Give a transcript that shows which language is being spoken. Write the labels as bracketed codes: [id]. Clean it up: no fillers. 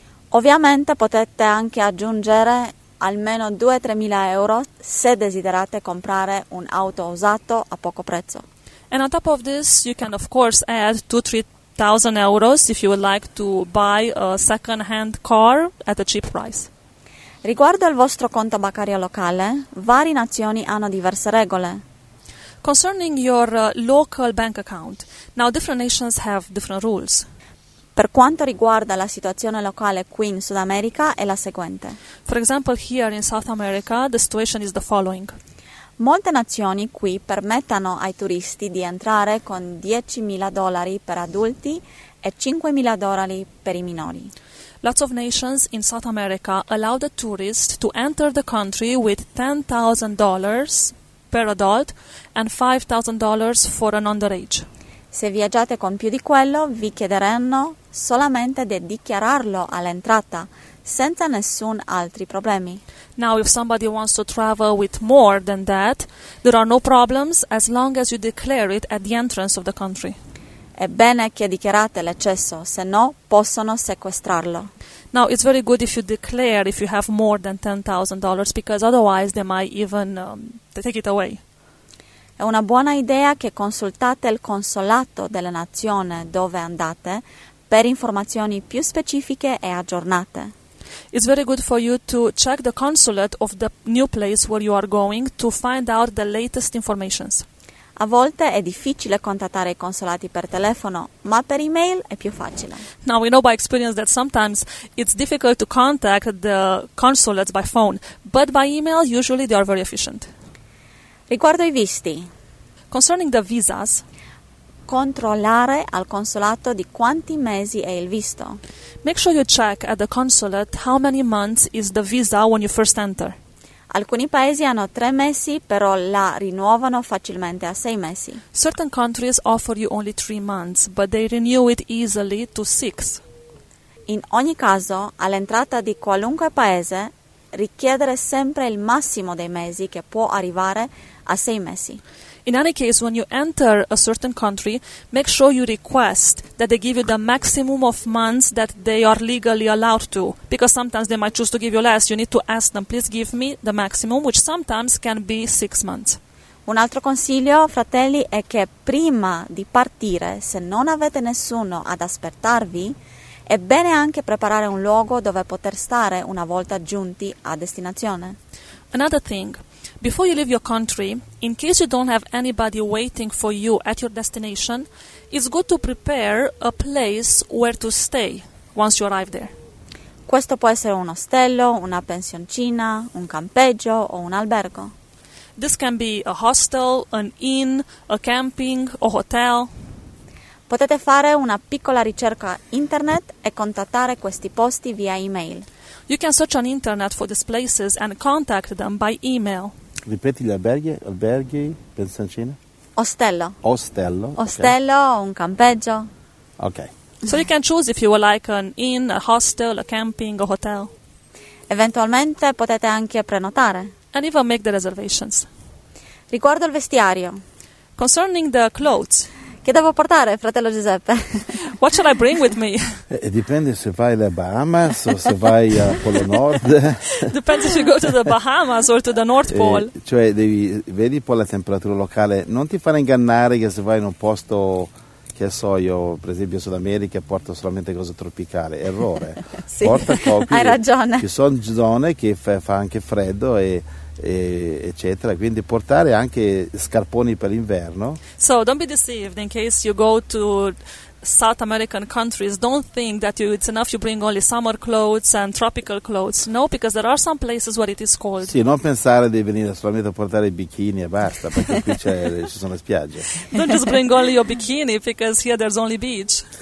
[it] Ovviamente potete anche aggiungere almeno 2-3.000 euro se desiderate comprare un auto usato a poco prezzo. [en] And on top of this, you can of course add 2-3,000 euros if you would like to buy a second-hand car at a cheap price. [it] Riguardo al vostro conto bancario locale, varie nazioni hanno diverse regole. [en] Concerning your local bank account, now different nations have different rules. [it] Per quanto riguarda la situazione locale qui in Sud America è la seguente. [en] For example, here in South America, the situation is the following. [it] Molte nazioni qui permettono ai turisti di entrare con $10,000 per adulti e $5,000 per i minori. [en] Lots of nations in South America allow the tourist to enter the country with $10,000 per adult and $5,000 for an underage. [it] Se viaggiate con più di quello, vi chiederanno solamente di dichiararlo all'entrata, senza nessun altri problemi. [en] Now, if somebody wants to travel with more than that, there are no problems as long as you declare it at the entrance of the country. [it] È bene che dichiarate l'eccesso, se no possono sequestrarlo. [en] Now, it's very good if you declare if you have more than $10,000, because otherwise they might even take it away. [it] È una buona idea che consultate il consolato della nazione dove andate per informazioni più specifiche e aggiornate. [en] It's very good for you to check the consulate of the new place where you are going to find out the latest information. [it] A volte è difficile contattare i consolati per telefono, ma per email è più facile. [en] Now we know by experience that sometimes it's difficult to contact the consulates by phone, but by email usually they are very efficient. [it] Riguardo i visti. [en] Concerning the visas, [it] controllare al consolato di quanti mesi è il visto. [en] Make sure you check at the consulate how many months is the visa when you first enter. [it] Alcuni paesi hanno 3 mesi, però la rinnovano facilmente a 6 mesi. [en] Certain countries offer you only 3 months, but they renew it easily to 6. [it] In ogni caso, all'entrata di qualunque paese, richiedere sempre il massimo dei mesi che può arrivare a 6 mesi. [en] In any case, when you enter a certain country, make sure you request that they give you the maximum of months that they are legally allowed to. Because sometimes they might choose to give you less. You need to ask them, please give me the maximum, which sometimes can be 6 months. [it] Un altro consiglio, fratelli, è che prima di partire, se non avete nessuno ad aspettarvi, è bene anche preparare un luogo dove poter stare una volta giunti a destinazione. [en] Another thing. Before you leave your country, in case you don't have anybody waiting for you at your destination, it's good to prepare a place where to stay once you arrive there. [it] Questo può essere un ostello, una pensioncina, un campeggio o un albergo. [en] This can be a hostel, an inn, a camping, a hotel. [it] Potete fare una piccola ricerca internet e contattare questi posti via email. [en] You can search on internet for these places and contact them by email. [it] Ripeti gli alberghi, alberghi, pensioncina? Ostello. Ostello. Ostello, okay. Un campeggio. Ok. [en] So you can choose if you would like an inn, a hostel, a camping, a hotel. [it] Eventualmente potete anche prenotare. [en] And even make the reservations. [it] Riguardo il vestiario. [en] Concerning the clothes. [it] Che devo portare, fratello Giuseppe? [en] What should I bring with me? [it] Dipende se vai alle Bahamas o se vai al Polo Nord. [en] Depends if you go to the Bahamas or to the North Pole. [it] Cioè, devi vedi un po' la temperatura locale. Non ti fare ingannare che se vai in un posto, che so io, per esempio Sud America, porta solamente cose tropicali. Errore. Sì, porta copie. Hai ragione. Ci sono zone che fa anche freddo e eccetera, quindi portare anche scarponi per l'inverno. [en] So don't be deceived in case you go to South American countries. Don't think that you, it's enough you bring only summer clothes and tropical clothes. No, because there are some places where it is cold. [it] Sì, non pensare di venire solamente a portare bikini e basta, perché qui c'è, ci sono le spiagge. [en] Don't just bring only your bikini, because here there's only beach.